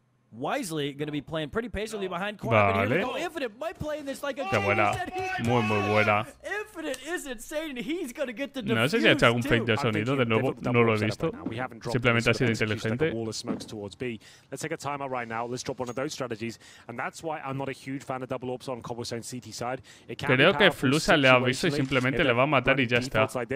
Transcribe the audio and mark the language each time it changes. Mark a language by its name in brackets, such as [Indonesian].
[English] Wisely gonna be playing pretty patiently behind Quark. Vale. Infinite might play in this like a [Spanish] qué buena. Muy, muy buena. [English] Infinite is insane and he's gonna get the defuse. [Spanish] No sé si ha hecho algún fake de sonido de nuevo, no lo he visto. Simplemente ha sido inteligente. [English] Let's take a timeout right now. Let's drop one of those strategies. And that's why I'm not a huge fan of double ops on Cobblestone CT side. [Spanish] Creo que Flusa le ha visto y simplemente le va a matar y ya está.